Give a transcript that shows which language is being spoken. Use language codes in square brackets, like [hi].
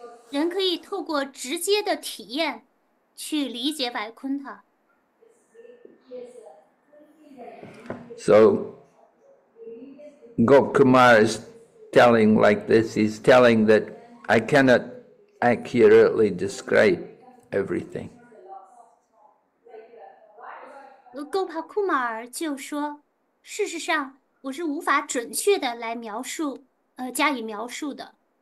[zh] 人可以透过直接的体验去理解白坤塔。 [en] So, Gokumar is telling like this. He's telling that I cannot accurately describe everything. [zh] Gopakumar 就说，事实上，我是无法准确的来描述，加以描述的。